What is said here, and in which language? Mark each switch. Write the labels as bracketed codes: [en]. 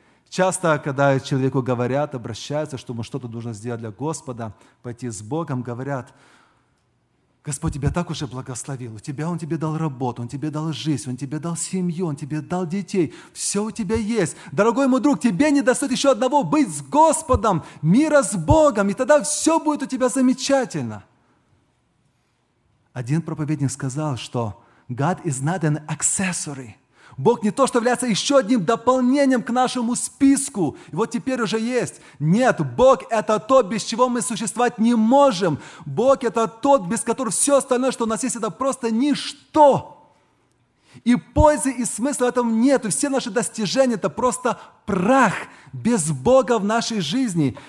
[ru] Часто, когда человеку говорят, обращаются, что ему что-то нужно сделать для Господа, пойти с Богом, говорят: Господь тебя так уже благословил, у тебя Он тебе дал работу, Он тебе дал жизнь, Он тебе дал семью, Он тебе дал детей, все у тебя есть. Дорогой мой друг, тебе не достает еще одного — быть с Господом, мира с Богом, и тогда все будет у тебя замечательно. Один проповедник сказал, что [en] God is not an accessory. [ru] Бог не то, что является еще одним дополнением к нашему списку. И вот теперь уже есть. Нет, Бог – это то, без чего мы существовать не можем. Бог – это тот, без которого все остальное, что у нас есть, это просто ничто. И пользы, и смысла в этом нет. И все наши достижения – это просто прах без Бога в нашей жизни.